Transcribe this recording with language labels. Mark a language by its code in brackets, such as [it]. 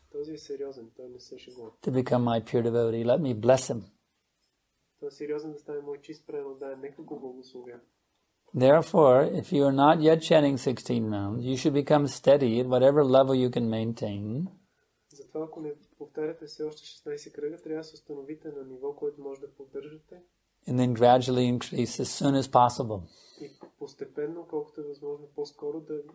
[bg] Този е сериозен, той не се шегува. [en] To become my pure devotee, let me bless him. [bg] Той е сериозен да стане мой чист преданоотдаден, нека го благословя. [en] Therefore, if you are not yet chanting 16 rounds, you should become steady at whatever level you can maintain. [bg] Затова ако не повтаряте все още 16 кръга, трябва да се установите на ниво, което може да поддържате. [en] And then gradually increase as soon as possible. [bg] И постепенно, колкото е възможно по-скоро да